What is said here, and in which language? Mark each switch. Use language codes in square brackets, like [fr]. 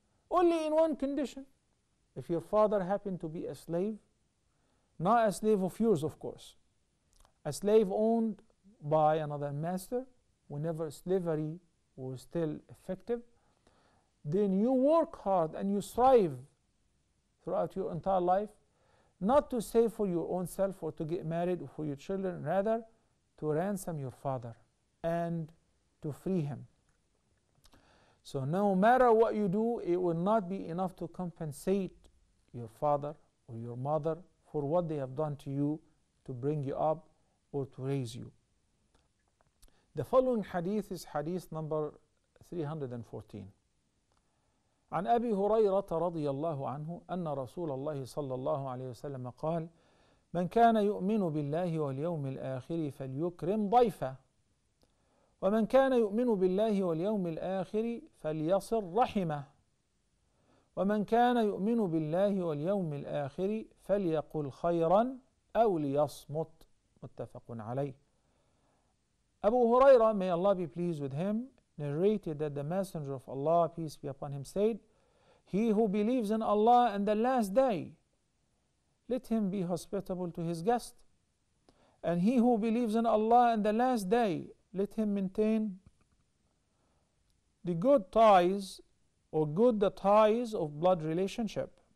[en] Only in one condition: if your father happened to be a slave, not a slave of yours, of course, a slave owned by another master, whenever slavery was still effective, then you work hard and you strive throughout your entire life, not to save for your own self or to get married or for your children, rather to ransom your father and to free him. So no matter what you do, it will not be enough to compensate your father or your mother for what they have done to you to bring you up or to raise you. The following hadith is hadith number 314. [ar] عن أبي هريرة رضي الله عنه أن رسول الله صلى الله عليه وسلم قال من كان يؤمن بالله واليوم الآخر فليكرم ضيفة ومن كان يؤمن بالله واليوم الآخر فليصل رحمة ومن كان يؤمن بالله واليوم الآخر فليقل خيرا أو ليصمت. متفق عليه. [en] Abu Huraira, may Allah be pleased with him, narrated that the Messenger of Allah, peace be upon him, said, he who believes in Allah and the last day, let him be hospitable to his guest. And he who believes in Allah and the last day, let him maintain the good ties or good the ties of blood relationship.